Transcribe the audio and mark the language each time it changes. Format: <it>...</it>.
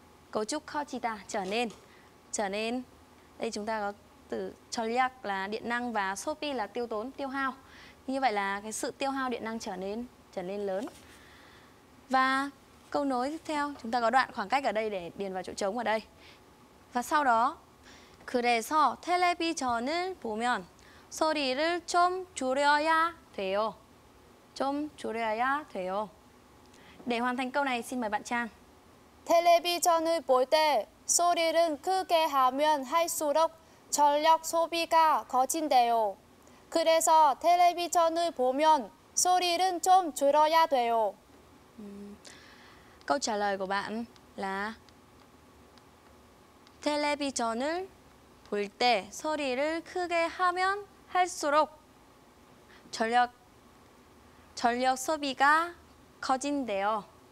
<vi>Cấu trúc커지다 trở nên. Trở nên. Đây chúng ta có từ 전력 là điện năng và 소비 là tiêu tốn, tiêu hao. Như vậy là cái sự tiêu hao điện năng trở nên lớn. Và câu nối tiếp theo, chúng ta có đoạn khoảng cách ở đây để điền vào chỗ trống ở đây. Và sau đó,</vi> <ko>그래서 텔레비전을 보면 소리를 좀 줄여야 돼요. 좀 줄여야 돼요.</ko> <vi>Để hoàn thành câu này, xin mời bạn Trang.</vi> <ko>텔레비전을 볼 때 소리를 크게 하면 할수록 전력 소비가 커진대요. 그래서 텔레비전을 보면 소리를 좀 줄여야 돼요.</ko> <vi>Câu trả lời của bạn là</vi> <ko>텔레비전을 볼 때 소리를 크게 하면 할수록 전력 소비가 커진대요.</ko>